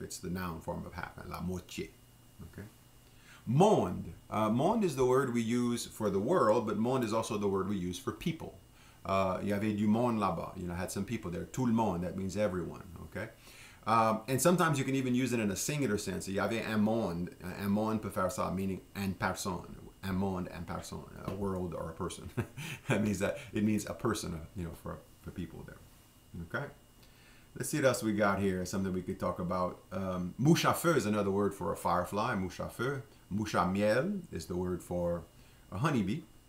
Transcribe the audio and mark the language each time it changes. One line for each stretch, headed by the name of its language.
English: It's the noun form of half. La moitié. Okay. Monde. Monde is the word we use for the world, but monde is also the word we use for people.
French: Il y avait du monde là-bas.
English: You know, had some people there. Tout le monde, that means everyone, okay? And sometimes you can even use it in a singular sense.
French: Il y avait un monde. Un monde peut faire ça, meaning une personne. Un monde, une personne.
English: A world or a person. it means a person, you know, for people there. Okay? Let's see what else we got here. Something we could talk about. Mouche à feu is another word for a firefly. Mouche à feu. Mouche à miel is the word for a honeybee.